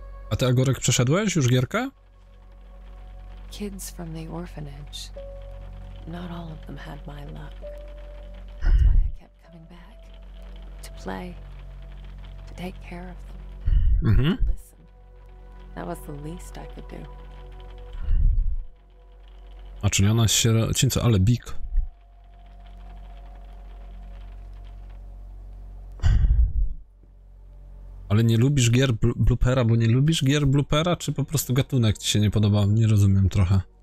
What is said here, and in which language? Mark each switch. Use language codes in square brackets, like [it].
[pl] A ty, Agorek, przeszedłeś już gierkę? [en] Kids from the orphanage. Not all of them had my luck. That's why I kept coming back. To play. To take care of them. Mm-hmm. To listen. That was the least I could do. [pl] A czyli ona jest sierocińca, ale big. Ale nie lubisz gier bloopera, bo nie lubisz gier bloopera, czy po prostu gatunek ci się nie podoba? Nie rozumiem trochę.